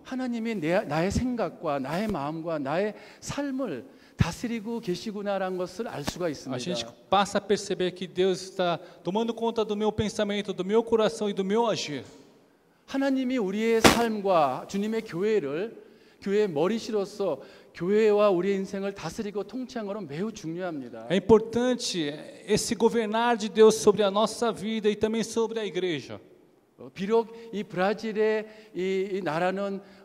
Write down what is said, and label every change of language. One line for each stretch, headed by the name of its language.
Korean: 하나님이 나의 생각과 나의 마음과 나의 삶을 다스리고 계시구나라는 것을 알 수가 있습니다.
Portuguese: A gente passa a perceber que Deus está tomando conta do meu pensamento, do meu coração e do meu agir.
Korean: 하나님이 우리의 삶과 주님의 교회를 교회의 머리시로서 교회와 우리의 인생을 다스리고 통치한 것은 매우 중요합니다.
Portuguese: É importante esse governar de Deus sobre a nossa vida e também sobre a igreja.
Korean: 비록 이 브라질의 이 나라는